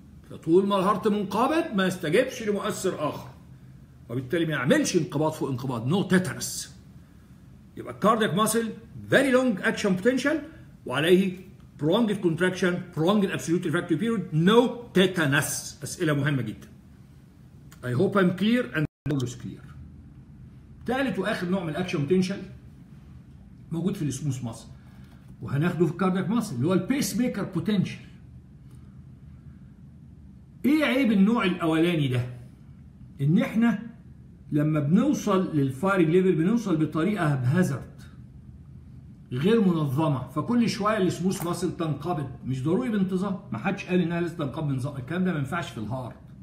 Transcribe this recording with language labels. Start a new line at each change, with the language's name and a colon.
Arabic: فطول ما الهارت منقبض ما استجبش لمؤثر اخر، وبالتالي ما يعملش انقباض فوق انقباض،
English: No tetanus. يبقى الكاردياك muscle very long action potential وعليه prolonged contraction prolonged absolute refractive period no tetanus.
Arabic: أسئلة مهمة جدا،
English: I hope I'm clear and always clear.
Arabic: ثالث وآخر نوع من الأكشن potential موجود في السموث ماسل وهناخده في الكارديك ماسل اللي هو pacemaker potential. إيه عيب النوع الأولاني ده؟ إن إحنا لما بنوصل للفايرنج ليفل بنوصل بطريقة بهازارد غير منظمه، فكل شويه السموث ماسل تنقبض، مش ضروري بانتظام، ما حدش قال انها لازم تنقبض بانتظام، الكلام ده ما ينفعش في الهارت.